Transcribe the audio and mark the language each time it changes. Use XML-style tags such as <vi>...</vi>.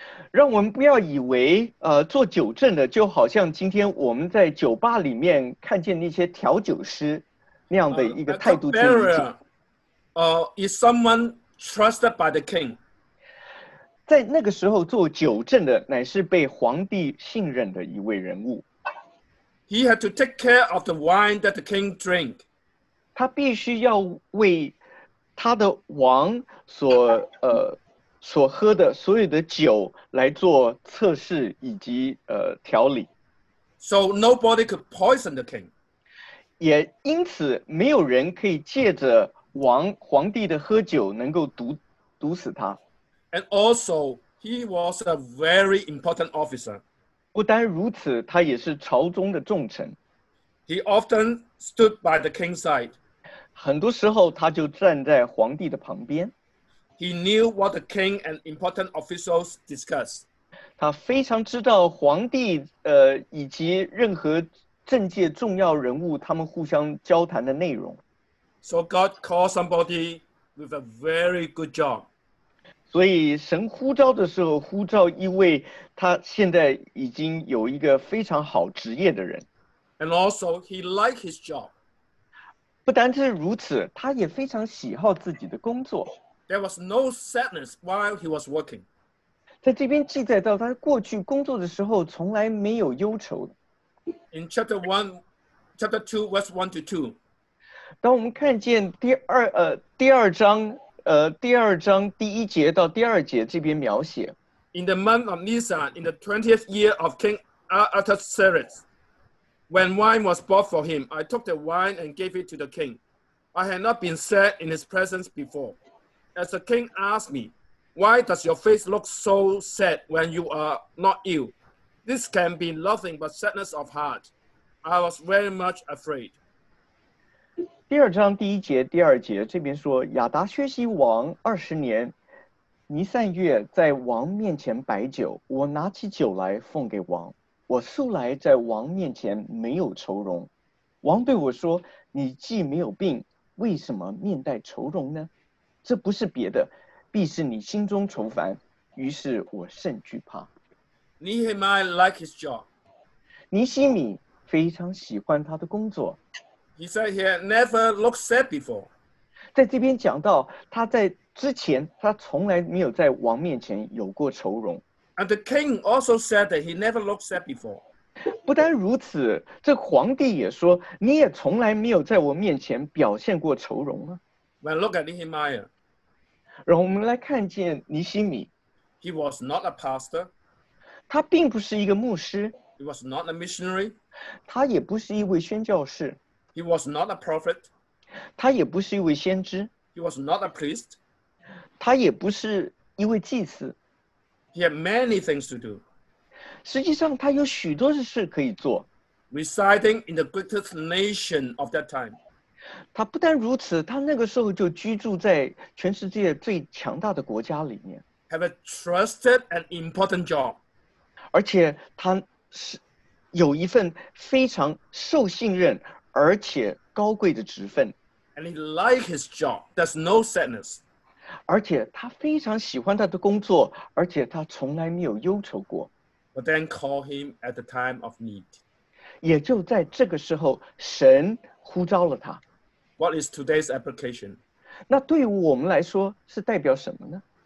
<zh>让我们不要以为做酒正的就好像今天我们在酒吧里面看见那些调酒师那样的一个态度经历。</zh> <en>Is someone trusted by the king?</en> <zh>在那个时候做酒正的乃是被皇帝信任的一位人物。</zh> <en>He had to take care of the wine that the king drank.</en> <zh>他必须要为他的王所喝的所有的酒来做测试以及调理。</zh> <en>So nobody could poison the king.</en> <zh>也因此没有人可以借着皇帝的喝酒能够毒死他。</zh> <en>And also, he was a very important officer.</en> <zh>不单如此，他也是朝中的重臣。</zh> <en>He often stood by the king's side.</en> <zh>很多时候他就站在皇帝的旁边。</zh> <en>He knew what the king and important officials discussed.</en> <zh>他非常知道皇帝以及任何政界重要人物他们互相交谈的内容。</zh> <en>So God calls somebody with a very good job.</en> <zh>所以神呼召的时候，呼召一位他现在已经有一个非常好职业的人。</zh> <en>And also, he liked his job.</en> <zh>不单是如此，他也非常喜好自己的工作。</zh> <en>There was no sadness while he was working.</en> <zh>在这边记载到，他过去工作的时候从来没有忧愁。</zh> <en>In chapter 2, verse 1 to 2.</en> <zh>当我们看见第二章第一节到第二节这边描写</zh> <en>，In the month of Nisan, in the 20th year of King Artaxerxes, when wine was bought for him, I took the wine and gave it to the king. I had not been sad in his presence before. As the king asked me, "Why does your face look so sad when you are not ill? This can be nothing but sadness of heart." I was very much afraid.</en> <zh>第二章第一节第二节这边说亚达薛西王二十年尼散月在王面前摆酒我拿起酒来奉给王我素来在王面前没有愁容王对我说你既没有病为什么面带愁容呢这不是别的必是你心中愁烦于是我甚惧怕</zh> <en>Nehemiah liked his job</en> <zh>尼希米非常喜欢他的工作</zh> <en>He said he had never looked sad before.</en> <zh>在这边讲到，他在之前，他从来没有在王面前有过愁容。</zh> <en>And the king also said that he never looked sad before.</en> <zh>不单如此，这皇帝也说，你也从来没有在我面前表现过愁容啊。</zh> <en>When look at Nehemiah.</en> <zh>让我们来看见尼希米。</zh> <en>He was not a pastor.</en> <zh>他并不是一个牧师。</zh> <en>He was not a missionary.</en> <zh>他也不是一位宣教士。</zh> <en>He was not a prophet.</en> <zh>他也不是一位先知。</zh> <en>He was not a priest.</en> <zh>他也不是一位祭司。</zh> <en>He had many things to do.</en> <zh>实际上他有许多事可以做。</zh> <en>Residing in the greatest nation of that time.</en> <zh>他不但如此，他那个时候就居住在全世界最强大的国家里面。</zh> <en>Have a trusted and important job.</en> <zh>而且他是有一份非常受信任而且高贵的职分。</zh> <en>And he liked his job. There's no sadness.</en> <zh>而且他非常喜欢他的工作，而且他从来没有忧愁过。</zh> <en>But then call him at the time of need.</en> <zh>也就在这个时候，神呼召了他。</zh> <en>What is today's application?</en> <zh>那对于我们来说是代表什么呢？</zh>